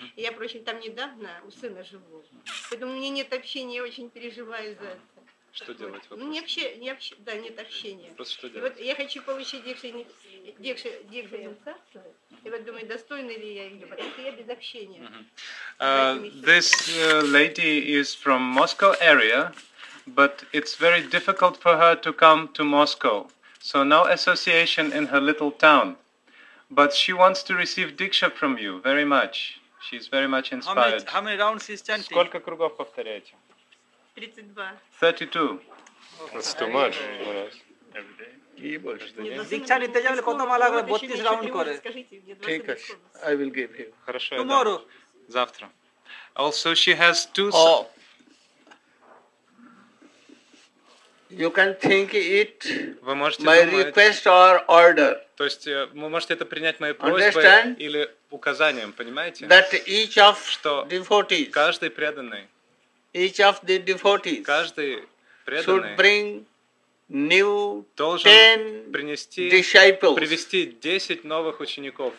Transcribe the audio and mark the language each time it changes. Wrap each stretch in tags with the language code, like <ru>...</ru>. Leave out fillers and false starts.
<ru>И я, впрочем, там недавно у сына живу. Поэтому у меня нет общения, я очень переживаю за это. Что делать? Ну, нет общения. Просто что делать? И вот я хочу получить дикшу юнца. И вот думаю, достойна ли я ее, потому что я без общения.</ru> <en>This lady is from Moscow area. But it's very difficult for her to come to Moscow. So no association in her little town. But she wants to receive diksha from you very much. She's very much inspired. How many rounds is chanting?</en> <ru>Сколько кругов повторяете? 32.</ru> <en>32. That's too much. Every day.</en> <ru>Диксан, ты делаешь 32 раунда. Скажите, где 20?</ru> <en>I will give you.</en> <ru>Хорошо.</ru> <en>Tomorrow.</en> <ru>Завтра.</ru> <en>Also, she has two... You can think it my request or order.</en> <ru>То есть вы можете это принять моей просьбой или указанием, понимаете?</ru> <en>That each of the devotees,</en> <ru>каждый преданный,</ru> <en>each of the devotees,</en> <ru>каждый преданный,</ru> <en>should bring new</en> <ru>должен принести,</ru> <en>disciples,</en> <ru>привести 10 новых учеников.</ru>